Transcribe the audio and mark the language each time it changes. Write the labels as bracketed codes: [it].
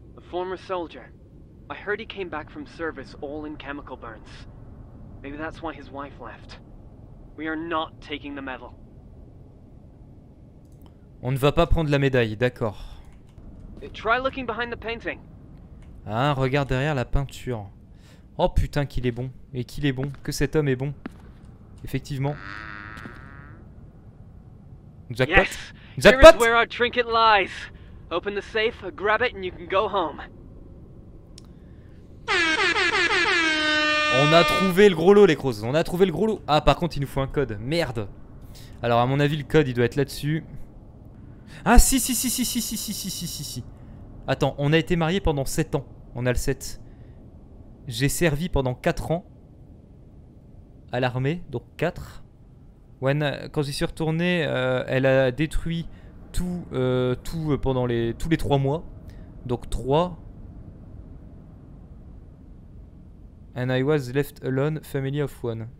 [en] Former soldier. I heard he came back from service all in chemical burns. Maybe that's why his wife left. We are not taking the medal. [fr] On ne va pas prendre la médaille, d'accord. [en] Try looking behind the painting. [fr] Ah, regarde derrière la peinture. Oh putain, qu'il est bon. Et qu'il est bon. Que cet homme est bon. Effectivement. [en] Jackpot. Yes. Jackpot. Here is where our trinket lies. Open the safe, grab it, and you can go home. [fr] On a trouvé le gros lot, les crozes. On a trouvé le gros lot. Ah, par contre, il nous faut un code. Merde. Alors, à mon avis, le code, il doit être là-dessus. Ah, si, si, si, si, si, si, si, si, si, si, si. Attends, on a été mariés pendant 7 ans. On a le 7. J'ai servi pendant 4 ans. à l'armée, donc 4. Wen, quand j'y suis retourné, elle a détruit tout pendant tous les 3 mois. Donc 3. [en] And I was left alone, family of one.